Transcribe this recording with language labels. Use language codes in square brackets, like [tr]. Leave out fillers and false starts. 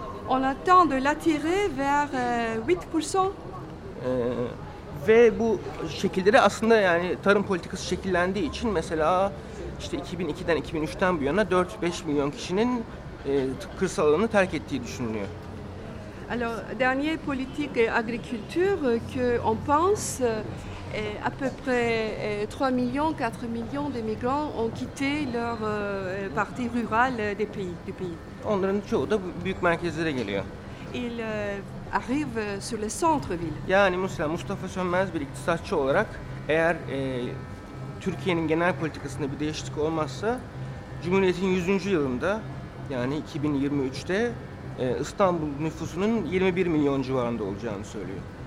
[fr] On attend de l'attirer vers 8%. [tr] Ve bu şekilleri aslında yani tarım politikası şekillendiği için mesela işte 2002'den 2003'ten bu yana 4-5 milyon kişinin kırsal alanı terk ettiği düşünülüyor. [fr] Alors, dernière politique agriculture que on pense à peu près 3 millions, 4 millions de migrants ont quitté leur partie rurale des pays du pays. [tr] Onların çoğu da büyük merkezlere geliyor. [fr] Il arrive sur le centre-ville. [tr] Yani Mustafa Sönmez bir iktisatçı olarak eğer Türkiye'nin genel politikasında bir değişiklik olmazsa Cumhuriyet'in 100. yılında yani 2023'te İstanbul nüfusunun 21 milyon civarında olacağını söylüyor.